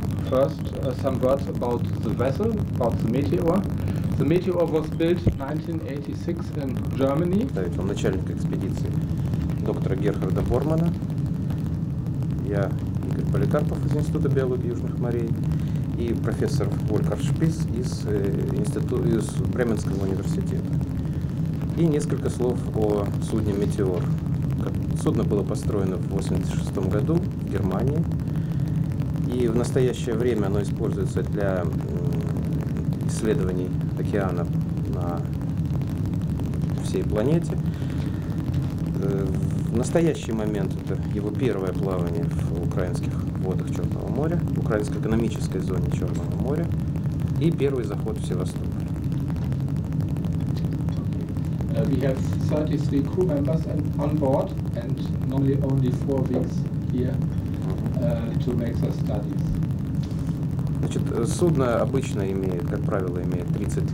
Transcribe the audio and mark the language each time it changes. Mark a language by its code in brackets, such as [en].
[en] First, some words about the vessel, about the Meteor. The Meteor was built 1986 in Germany. [ru] Да, это начальник экспедиции доктора Герхарда Бормана. Я Игорь Поликарпов из Института биологии Южных морей и профессор Вольфгар Шпиц из института из Бременского университета. И несколько слов о судне «Метеор». Судно было построено в 1986 году в Германии, и в настоящее время оно используется для исследований океана на всей планете. В настоящий момент это его первое плавание в украинских водах Черного моря, в украинской экономической зоне Черного моря и первый заход в Севастополь. [en] We have 33 crew members on board and normally only 4 weeks here to make the studies. [ru] Значит, судно обычно имеет, как правило, имеет 30